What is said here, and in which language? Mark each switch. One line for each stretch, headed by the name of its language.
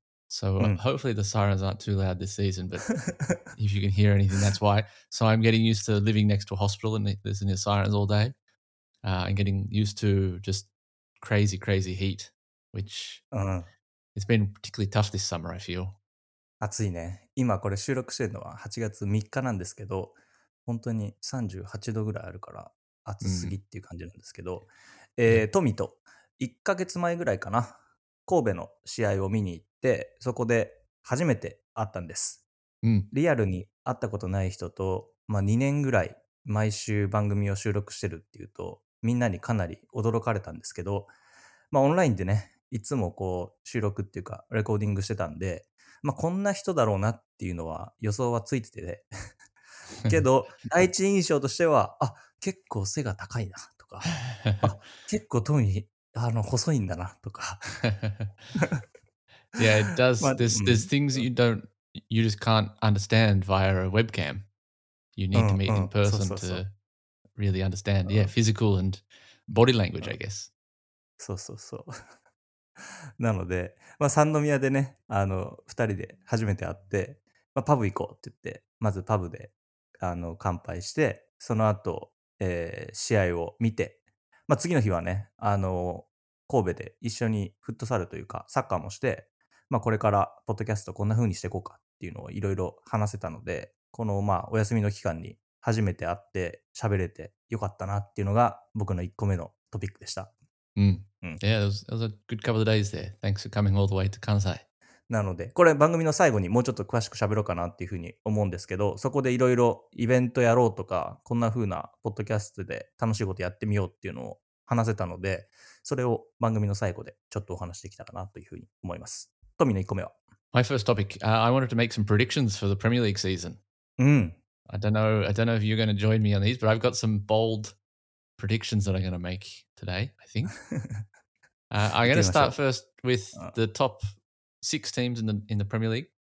English: So hopefully the sirens aren't too loud this season, but if you can hear anything, that's why. So I'm getting used to living next to a hospital and listening to sirens all day. And getting used to just crazy, crazy heat, which it's been particularly tough this summer, I feel.
Japanese: 暑いね。今これ収録してるのは8月3日なんですけど、本当に38度ぐらいあるから暑すぎっていう感じなんですけど、トミと1ヶ月前ぐらいかな、神戸の試合を見に行って、そこで初めて会ったんです、リアルに会ったことない人と、2年ぐらい毎週番組を収録してるっていうと、みんなにかなり驚かれたんですけど、オンラインでね、いつもこう収録っていうかレコーディングしてたんで、こんな人だろうなっていうのは予想はついてて、ねけど第一印象としては、あ、結構背が高いなとか、あ、結構トミー細いんだなとか。
English: Yeah, it does. There's things that you just can't understand via a webcam. You need to meet in person to really understand. Yeah, physical and body language, I guess.
Japanese: そうそうそう。なので、三宮でね、二人で初めて会って、パブ行こうって言って、まずパブで乾杯して、その後、試合を見て、次の日はね、神戸で一緒にフットサルというかサッカーもして、これからポッドキャストこんな風にしていこうかっていうのをいろいろ話せたので、このお休みの期間に初めて会って喋れてよかったなっていうのが僕の1個目のトピックでした。
English: Yeah, that was a good couple of days there. Thanks for coming all the way to 関西。
Japanese: なので、これ番組の最後にもうちょっと詳しく喋ろうかなっていうふうに思うんですけど、そこでいろいろイベントやろうとか、こんな風なポッドキャストで楽しいことやってみようっていうのを話せたので、それを番組の最後でちょっとお話できたかなというふうに思います。トミの1個目は。
English: My first topic,I wanted to make some predictions for the Premier League season. I don't know if you're going to join me on these, but I've got some bold predictions that I'm going to make today, I think. I'm going to start first with the top... six teams in the Premier League.